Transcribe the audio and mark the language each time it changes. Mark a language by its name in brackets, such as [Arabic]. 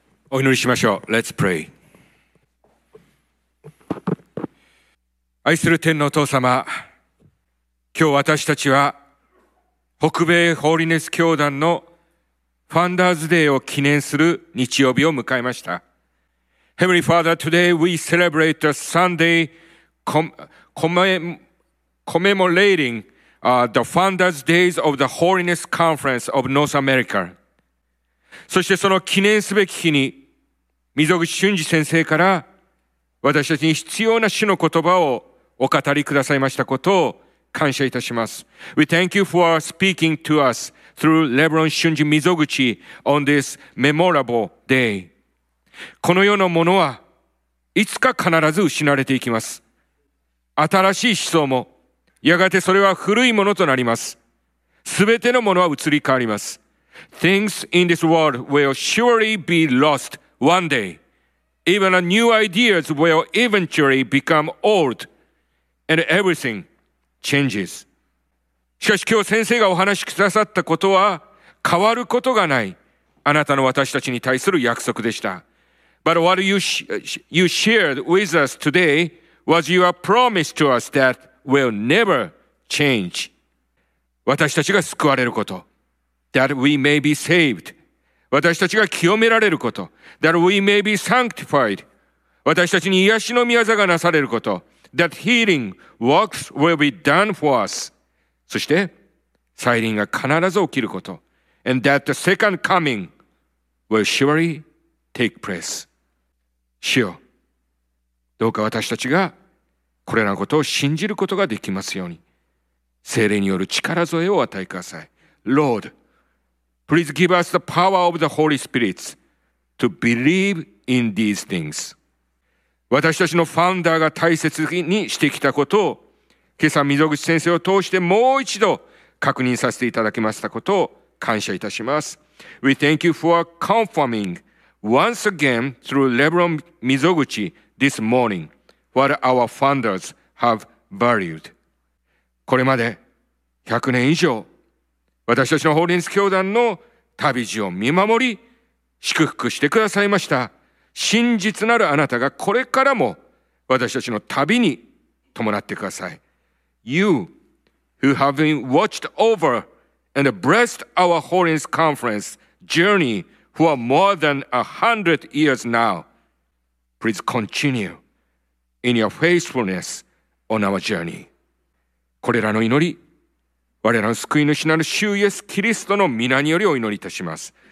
[Japanese] お祈りしましょう。 [English] Let's pray。 [Japanese] 愛する天のお父様、今日私たちは北米ホーリネス教団のファンダーズデーを記念する日曜日を迎えました。 [English] Heavenly Father, today we celebrate the Sunday commemorating the Founders Days of the Holiness Conference of North America. [Japanese] そしてその記念すべき日に、溝口俊二先生から私たちに必要な主の言葉をお語りくださいましたことを感謝いたします。 [English] We thank you for speaking to us through Reverend Shunji Mizoguchi on this memorable day. [Japanese] この世のものはいつか必ず失われていきます。新しい思想もやがてそれは古いものとなります。すべてのものは移り変わります。 [English] Things in this world will surely be lost one day. Even new ideas will eventually become old. And everything changes. [Japanese] しかし今日先生がお話しくださったことは変わることがない、あなたの私たちに対する約束でした。 [English] But what you shared with us today was your promise to us that will never change. [Japanese] 私たちが救われること。 [English] That we may be saved. [Japanese] 私たちが清められること。 [English] That we may be sanctified. [Japanese] 私たちに癒しの御業がなされること。 [English] That healing works will be done for us. [Japanese] そして、再臨が必ず起きること。 [English] And that the second coming will surely take place. [Japanese] 主よ、どうか私たちがこれらのことを信じることができますように、聖霊による力添えを与えください。 [English] Lord, please give us the power of the Holy Spirit to believe in these things. [Japanese] 私たちのファウンダーが大切にしてきたことを、今朝溝口先生を通してもう一度確認させていただきましたことを、感謝いたします。 [English] We thank you for confirming once again through Reverend Mizoguchi this morning what our founders have valued. [Japanese] これまで100年以上私たちのホーリネス教団の旅路を見守り祝福してくださいました。真実なるあなたがこれからも私たちの旅に伴ってください。 [English] You who have been watched overAnd blessed our Holiness Conference journey for more than 100 years now. Please continue in your faithfulness on our journey. [Japanese] これらの祈り、我らの救い主なる主イエス・キリストの御名によりお祈りいたします。